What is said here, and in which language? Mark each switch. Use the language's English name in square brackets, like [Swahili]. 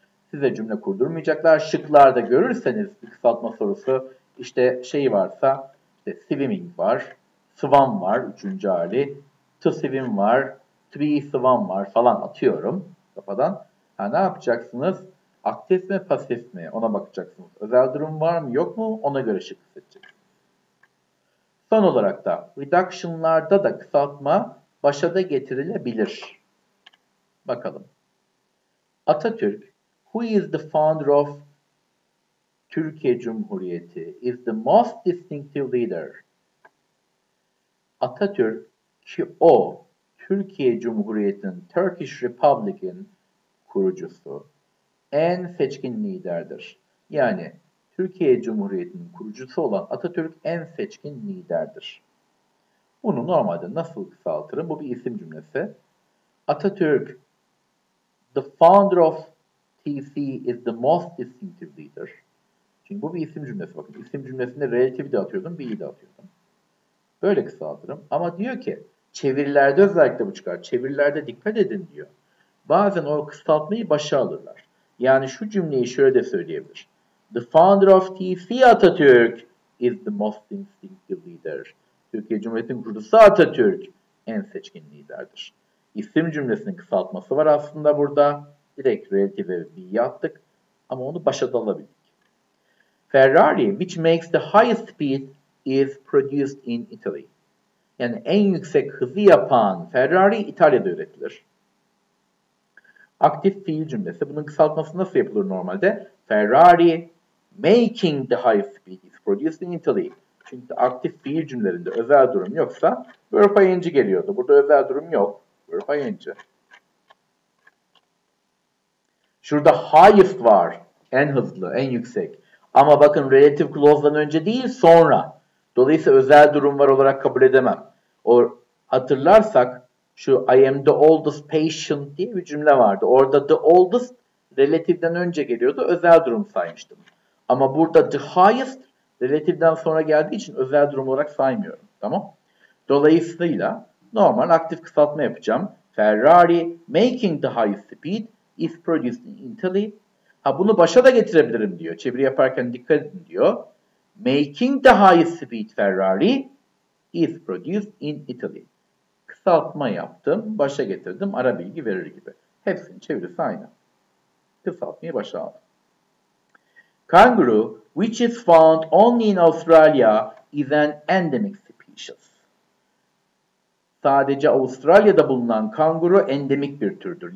[Turkish] Size cümle kurdurmayacaklar. Şıklarda görürseniz bir kısaltma sorusu işte şey varsa işte swimming var, swam var üçüncü hali, [English] to swim [Turkish] var, [English] to be swam [Turkish] var falan atıyorum kafadan. Ha, ne yapacaksınız? Aktif mi pasif mi? Ona bakacaksınız. Özel durum var mı yok mu? Ona göre şık seçeceksiniz. Son olarak da reduction'larda da kısaltma başa da getirilebilir. Bakalım. [English] Atatürk, who is the founder of Türkiye Cumhuriyeti, is the most distinctive leader. [Turkish] Atatürk ki o Türkiye Cumhuriyeti'nin [English] Turkish Republic'in [Turkish] kurucusu en seçkin liderdir. Yani Türkiye Cumhuriyeti'nin kurucusu olan Atatürk en seçkin liderdir. Bunu normalde nasıl kısaltırım? Bu bir isim cümlesi. [English] Atatürk, the founder of TC is the most distinctive leader. [Turkish] Çünkü bu bir isim cümlesi. Bakın isim cümlesinde relative de atıyordum, be'yi de atıyordum. Böyle kısaltırım. Ama diyor ki, çevirilerde özellikle bu çıkar. Çevirilerde dikkat edin diyor. Bazen o kısaltmayı başa alırlar. Yani şu cümleyi şöyle de söyleyebilir. [English] The founder of TC Atatürk is the most distinctive leader. [Turkish] Türkiye Cumhuriyeti'nin kurucusu Atatürk en seçkin liderdir. İsim cümlesinin kısaltması var aslında burada. Direkt relative verbi yaptık ama onu başa da alabildik. [English] Ferrari, which makes the highest speed, is produced in Italy. [Turkish] Yani en yüksek hızı yapan Ferrari İtalya'da üretilir. Aktif fiil cümlesi. Bunun kısaltması nasıl yapılır normalde? [English] Ferrari making the highest speed is produced in Italy. [Turkish] Çünkü aktif fiil cümlelerinde özel durum yoksa verb ing geliyordu. Burada özel durum yok. Verb ing. Şurada highest var. En hızlı, en yüksek. Ama bakın relative clause'dan önce değil, sonra. Dolayısıyla özel durum var olarak kabul edemem. O hatırlarsak şu [English] I am the oldest patient [Turkish] diye bir cümle vardı. Orada the oldest relative'den önce geliyordu. Özel durum saymıştım. Ama burada the highest relative'den sonra geldiği için özel durum olarak saymıyorum. Tamam? Dolayısıyla normal aktif kısaltma yapacağım. [English] Ferrari making the highest speed is produced in Italy. [Turkish] Ha bunu başa da getirebilirim diyor. Çeviri yaparken dikkat edin diyor. [English] Making the highest speed Ferrari is produced in Italy. [Turkish] Kısaltma yaptım, başa getirdim, ara bilgi verir gibi. Hepsinin çevirisi aynı. Kısaltmayı başa aldım. [English] Kangaroo, which is found only in Australia, is an endemic species. [Turkish] Sadece Avustralya'da bulunan kanguru endemik bir türdür.